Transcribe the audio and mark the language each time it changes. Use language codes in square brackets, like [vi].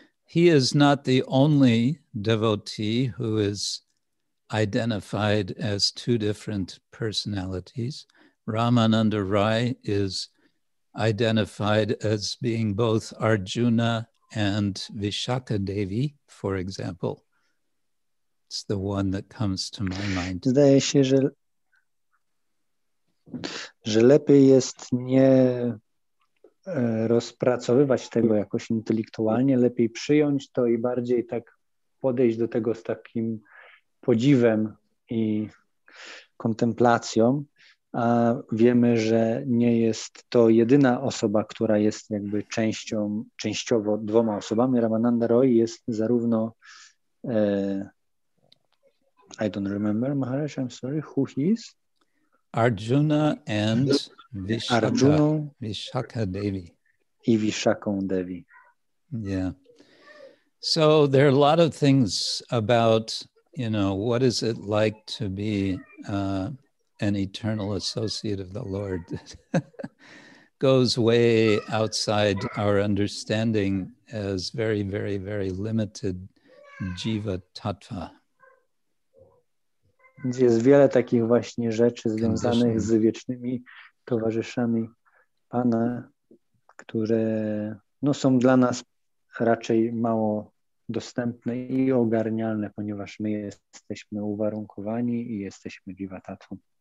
[en] He is not the only devotee who is identified as two different personalities. Ramananda Rai is identified as being both Arjuna and Vishakha Devi, for example. It's the one that comes to my mind. [pl] Zdaje się, że lepiej jest nie rozpracowywać tego jakoś intelektualnie, lepiej przyjąć to i bardziej tak podejść do tego z takim podziwem i kontemplacją, a wiemy, że nie jest to jedyna osoba, która jest jakby częścią, częściowo dwoma osobami. [en] Ramananda Roy [pl] jest zarówno [en] I don't remember, Maharaj, I'm sorry, who he is? Arjuna and Vishaka. Arjuna. Vishaka Devi. [pl] I Vishaka Devi. [en] Yeah. So there are a lot of things about, you know, what is it like to be an eternal associate of the Lord that goes way outside our understanding as very, very, very limited jiva tattva. [pl] Więc jest wiele takich właśnie rzeczy związanych z wiecznymi towarzyszami Pana, które no, są dla nas raczej mało dostępne i ogarnialne, ponieważ my jesteśmy uwarunkowani i jesteśmy dziwatatą.